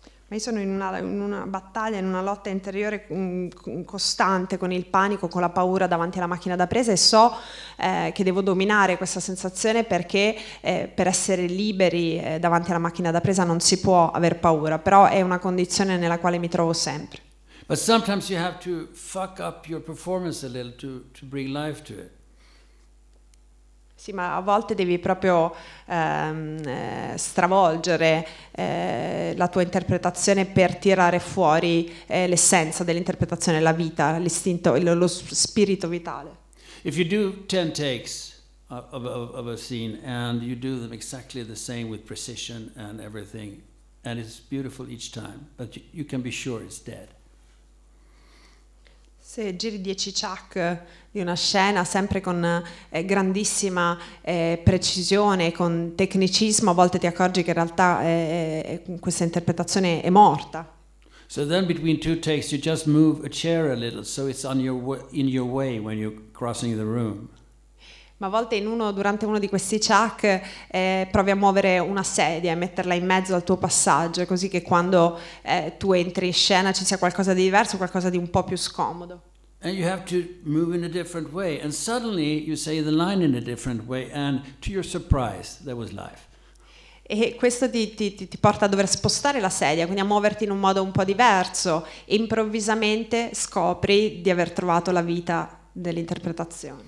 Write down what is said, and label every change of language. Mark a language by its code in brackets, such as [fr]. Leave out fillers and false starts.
[it] Ma io sono in una battaglia, in una lotta interiore costante con il panico, con la paura davanti alla macchina da presa, e so che devo dominare questa sensazione, perché per essere liberi davanti alla macchina da presa non si può aver paura, però è una condizione nella quale mi trovo sempre. [en] But sometimes you have to fuck up your performance a little to bring life to it. [it] Sì, ma a volte devi proprio stravolgere la tua interpretazione per tirare fuori l'essenza dell'interpretazione, la vita, l'istinto, lo spirito vitale. [en] If you do 10 takes of a scene and you do them exactly the same with precision and everything, and it's beautiful each time, but you can be sure it's dead. [it] Se giri 10 ciak di una scena sempre con grandissima precisione, con tecnicismo, a volte ti accorgi che in realtà questa interpretazione è morta. [en] So then between two takes you just move a chair a little so it's on your in your way when you're crossing the room. [it] Ma a volte durante uno di questi ciak provi a muovere una sedia e metterla in mezzo al tuo passaggio, così che quando tu entri in scena ci sia qualcosa di diverso, qualcosa di un po' più scomodo. [en] And you have to move in a different way, and suddenly you say the line in a different way, and to your surprise there was life. [it] E questo ti porta a dover spostare la sedia, quindi a muoverti in un modo un po' diverso, e improvvisamente scopri di aver trovato la vita dell'interpretazione.